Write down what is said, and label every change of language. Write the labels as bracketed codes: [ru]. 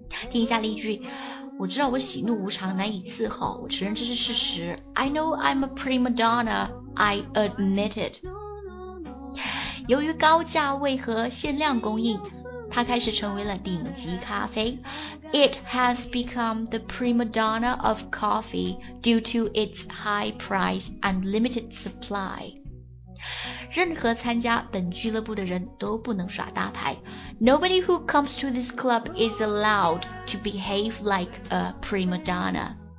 [zh] 听一下例句，我知道我喜怒无常难以伺候，我承认这是事实。 [en] I know I'm a prima donna, I admit it。 [zh] 由于高价位和限量供应，它开始成为了顶级咖啡。 [en] It has become the prima donna of coffee due to its high price and limited supply. [zh] 任何参加本俱乐部的人都不能耍大牌。 [en] Nobody who comes to this club is allowed to behave like a prima donna.